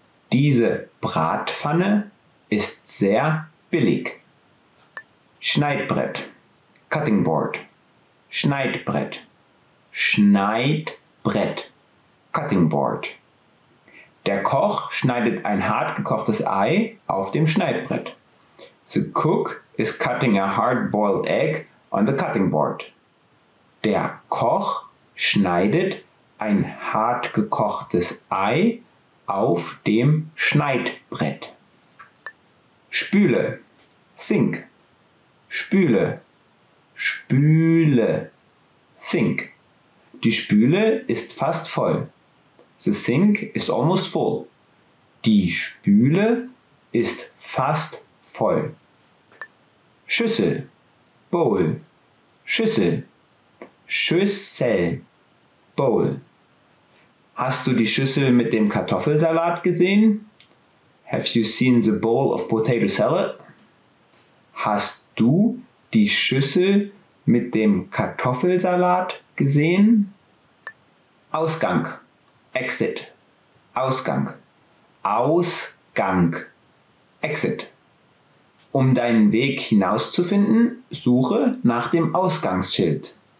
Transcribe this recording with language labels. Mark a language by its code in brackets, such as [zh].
[de] Diese Bratpfanne ist sehr billig. [en] Schneidbrett, Cutting Board, Schneidbrett, Schneidbrett, Cutting Board. [de] Der Koch schneidet ein hart gekochtes Ei auf dem Schneidbrett. [en] The cook is cutting a hard-boiled egg on the cutting board. [de] Der Koch schneidet ein hart gekochtes Ei auf dem Schneidbrett. Spüle, Sink, Spüle, Spüle, Sink. Die Spüle ist fast voll. [en] The sink is almost full. [de] Die Spüle ist fast voll. Schüssel, Bowl, Schüssel, Schüssel, Bowl. Hast du die Schüssel mit dem Kartoffelsalat gesehen? [en] Have you seen the bowl of potato salad? [de] Hast du die Schüssel mit dem Kartoffelsalat gesehen? Ausgang. Exit, Ausgang, Ausgang, Exit. Um deinen Weg hinauszufinden, suche nach dem Ausgangsschild.